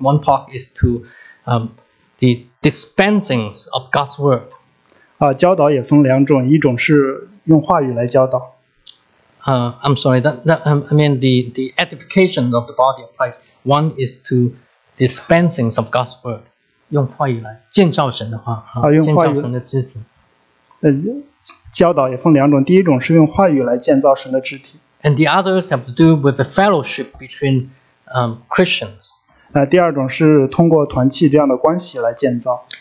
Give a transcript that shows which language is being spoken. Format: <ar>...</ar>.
<en>One part is to the dispensings of God's word.</en> <zh>教导也分两种，一种是用话语来教导。</zh> <en>I'm sorry, the edification of the body of Christ. One is to dispensings of God's word.</en> <zh>用话语来建造神的话，用话语建造神的肢体。教导也分两种，第一种是用话语来建造神的肢体。</zh> <en>And the others have to do with the fellowship between Christians.</en> <zh>第二种是通过团契这样的关系来建造。</zh>